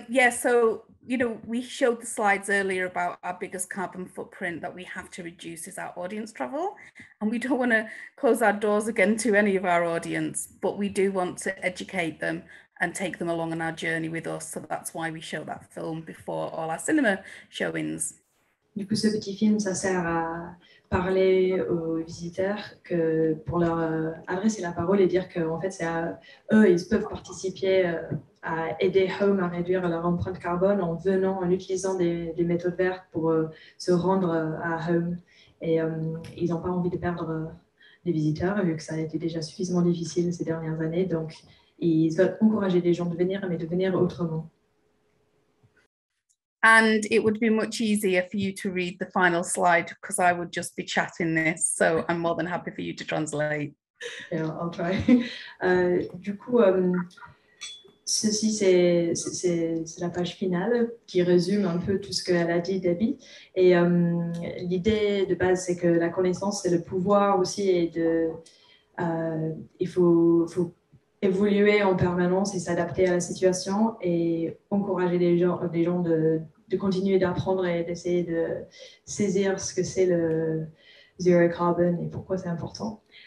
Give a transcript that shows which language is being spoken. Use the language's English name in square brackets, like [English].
[English] So, you know, we showed the slides earlier about our biggest carbon footprint that we have to reduce is our audience travel. And we don't want to close our doors again to any of our audience, but we do want to educate them and take them along on our journey with us. So that's why we show that film before all our cinema showings. [French] Du coup, ce petit film, ça sert à parler aux visiteurs que pour leur adresser la parole et dire qu'en fait, c'est à eux, ils peuvent participer à aider Home à réduire leur empreinte carbone en venant, en utilisant des méthodes vertes pour se rendre à Home. Et ils n'ont pas envie de perdre les visiteurs, vu que ça a été déjà suffisamment difficile ces dernières années. Donc, ils veulent encourager les gens de venir, mais de venir autrement. [English] And it would be much easier for you to read the final slide because I would just be chatting this. So I'm more than happy for you to translate. Yeah, I'll try. [French] Du coup, ceci, c'est la page finale qui résume un peu tout ce qu'elle a dit, Debbie. Et l'idée de base, c'est que la connaissance, c'est le pouvoir aussi. Et de, il faut évoluer en permanence et s'adapter à la situation et encourager les gens de continuer d'apprendre et d'essayer de saisir ce que c'est le zero carbon et pourquoi c'est important.